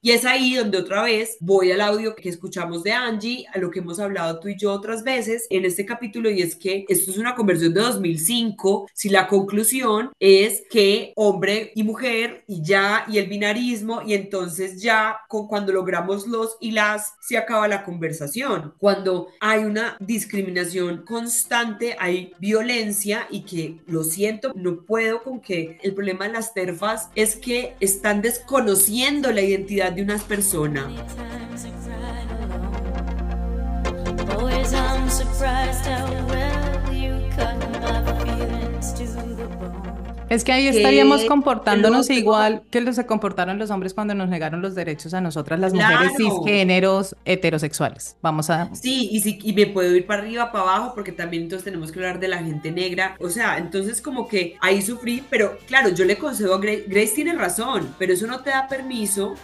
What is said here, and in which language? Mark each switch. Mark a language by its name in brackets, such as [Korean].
[Spanish] Y es ahí donde otra vez voy al audio que escuchamos de Angie, a lo que hemos hablado tú y yo otras veces en este capítulo, y es que esto es una conversación de 2005, si la conclusión es que hombre y mujer y ya, y el binarismo, y entonces ya cuando logramos los y las, se acaba la conversación. Cuando hay una discriminación constante, hay violencia y que lo siento, no puedo con que el problema de las TERFAs es que están desconociendo la identidad de unas personas. [English] Surprised how well you cut my feelings to the bone. [Spanish] Es que ahí estaríamos comportándonos igual que los se comportaron los hombres cuando nos negaron los derechos a nosotras, las mujeres Claro. cisgéneros heterosexuales. Vamos a. Sí, y sí, y me puedo ir para arriba, para abajo, porque también entonces tenemos que hablar de la gente negra. O sea, entonces como que ahí sufrí, pero claro, yo le concedo a Grace, Grace tiene razón, pero eso no te da permiso.